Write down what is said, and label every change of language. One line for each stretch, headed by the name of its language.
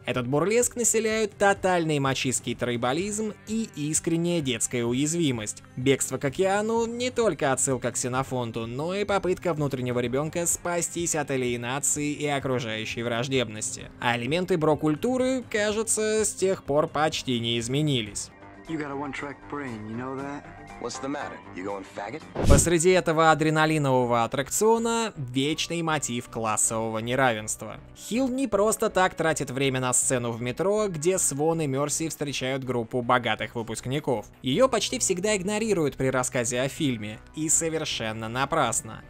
Russian: Этот бурлеск населяют тотальный мачистский трайбализм и искренняя детская уязвимость. Бегство к океану — не только отсылка к Ксенофонту, но и попытка внутреннего ребенка спастись от алиенации и окружающей враждебности. А элементы брокультуры, кажется, с тех пор почти не изменились.
English: You got a one-track brain, you know that? What's the matter? You going faggot?
Russian: Посреди этого адреналинового аттракциона вечный мотив классового неравенства. Хилл не просто так тратит время на сцену в метро, где Свон и Мерси встречают группу богатых выпускников. Ее почти всегда игнорируют при рассказе о фильме, и совершенно напрасно.